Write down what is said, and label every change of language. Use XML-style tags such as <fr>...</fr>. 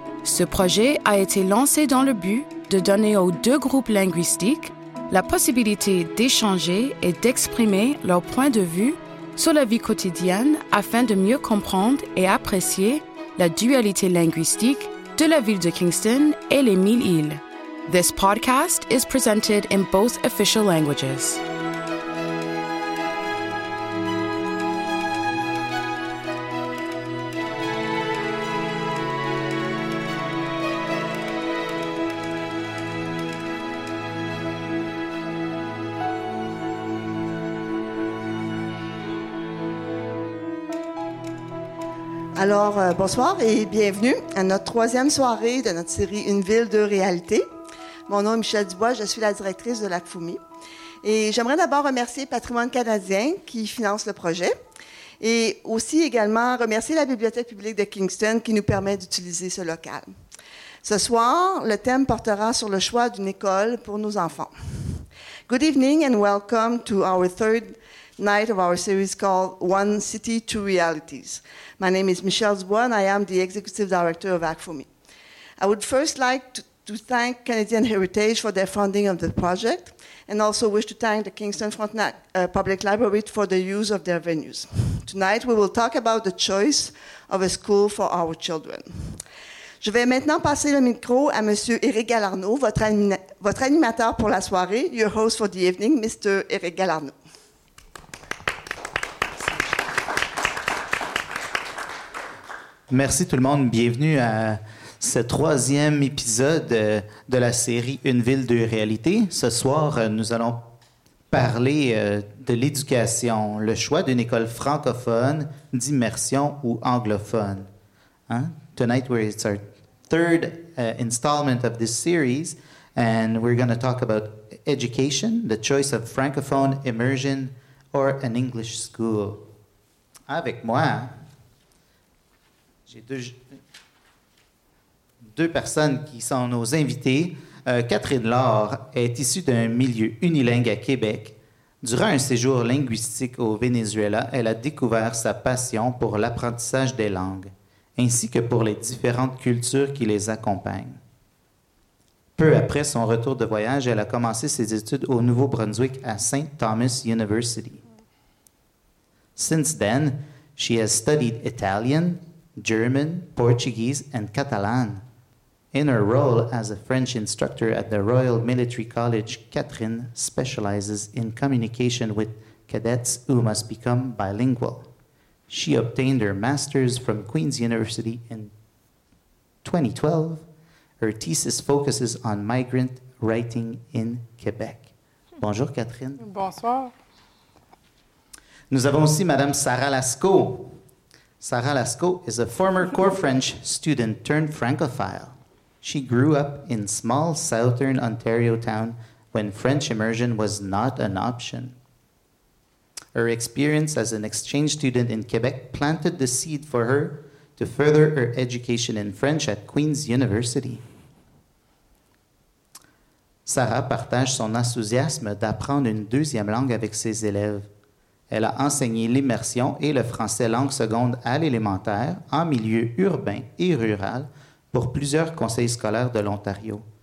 <fr>Ce projet a été lancé dans le but de donner aux deux groupes linguistiques la possibilité d'échanger et d'exprimer leur point de vue sur la vie quotidienne afin de mieux comprendre et apprécier la dualité linguistique de la ville de Kingston et les Mille Îles.</fr> <en>This podcast is presented in both official languages.</en> <fr>Alors, bonsoir et bienvenue à notre troisième soirée de notre série Une ville, deux réalités. Mon nom est Michel Dubois, je suis la directrice de l'ACFOMI. Et j'aimerais d'abord remercier Patrimoine canadien qui finance le projet et aussi également remercier la Bibliothèque publique de Kingston qui nous permet d'utiliser ce local. Ce soir, le thème portera sur le choix d'une école pour nos enfants.</fr> <en>Good evening and welcome to our third night of our series called One City, Two Realities. My name is Michel Dubois and I am the Executive Director of ACFOMI. I would first like to thank Canadian Heritage for their funding of the project and also wish to thank the Kingston Frontenac Public Library for the use of their venues. Tonight, we will talk about the choice of a school for our children.</en> <fr>Je vais maintenant passer le micro à M. Éric Galarneau, votre animateur pour la soirée,</fr> <en>your host for the evening, Mr.</en> <fr>Éric Galarneau. Merci tout le monde. Bienvenue à ce troisième épisode de la série Une ville, deux réalités. Ce soir, nous allons parler de l'éducation, le choix d'une école francophone, d'immersion ou anglophone. Hein?</fr> <en>Tonight, it's our third installment of this series, and we're going to talk about education, the choice of francophone immersion or an English school.</en> <fr>Avec moi, j'ai deux personnes qui sont nos invitées. Catherine Laure est issue d'un milieu unilingue à Québec. Durant un séjour linguistique au Venezuela, elle a découvert sa passion pour l'apprentissage des langues, ainsi que pour les différentes cultures qui les accompagnent. Peu après son retour de voyage, elle a commencé ses études au Nouveau-Brunswick à St. Thomas University.</fr> <en>Since then, she has studied Italian, German, Portuguese, and Catalan. In her role as a French instructor at the Royal Military College, Catherine specializes in communication with cadets who must become bilingual. She obtained her master's from Queen's University in 2012. Her thesis focuses on migrant writing in Quebec.</en> <fr>Bonjour, Catherine. Bonsoir. Nous avons aussi Madame Sarah Lascaux.</fr> <en>Sarah Lascaux is a former core French student turned Francophile. She grew up in small southern Ontario town when French immersion was not an option. Her experience as an exchange student in Quebec planted the seed for her to further her education in French at Queen's University.</en> <fr>Sarah partage son enthousiasme d'apprendre une deuxième langue avec ses élèves. Elle a enseigné l'immersion et le français langue seconde à l'élémentaire, en milieu urbain et rural, pour plusieurs conseils scolaires de l'Ontario.</fr>